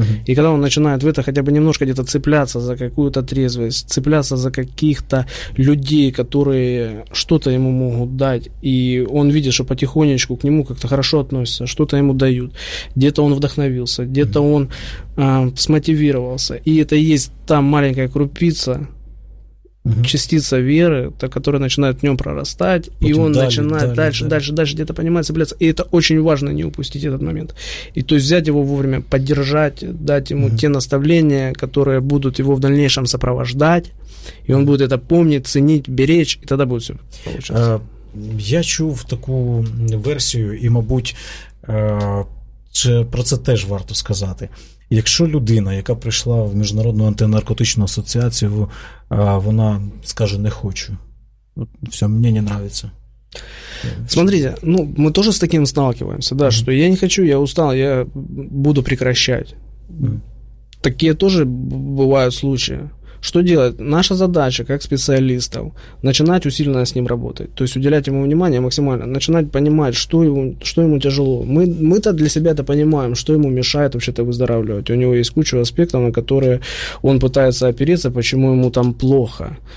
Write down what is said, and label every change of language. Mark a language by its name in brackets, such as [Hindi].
[Russian] И когда он начинает в это хотя бы немножко где-то цепляться за какую-то трезвость, цепляться за каких-то людей, которые что-то ему могут дать, и он видит, что потихонечку к нему как-то хорошо относятся, что-то ему дают, где-то он вдохновился, где-то он смотивировался, и это и есть та маленькая крупица, частица веры, та, которая начинает в нем прорастать, вот и он далее, начинает далее, дальше, далее. дальше где-то понимать, цепляться. И это очень важно, не упустить этот момент. И то есть взять его вовремя, поддержать, дать ему те наставления, которые будут его в дальнейшем сопровождать, и он будет это помнить, ценить, беречь, и тогда будет все получаться. [Ukrainian] Я чув таку версію, і, мабуть, про це теж варто сказати. Якщо людина, яка прийшла в Міжнародну антинаркотичну асоціацію, вона скаже «не хочу», все, мені не нравиться. Смотрите, ну, ми теж з таким сталкиваємося, да, що я не хочу, я устал, я буду прекращати. Такі теж бувають случаї. [Russian] Что делать? Наша задача, как специалистов, начинать усиленно с ним работать, то есть уделять ему внимание максимально, начинать понимать, что ему тяжело. Мы-то для себя это понимаем, что ему мешает вообще-то выздоравливать. У него есть куча аспектов, на которые он пытается опереться, почему ему там плохо.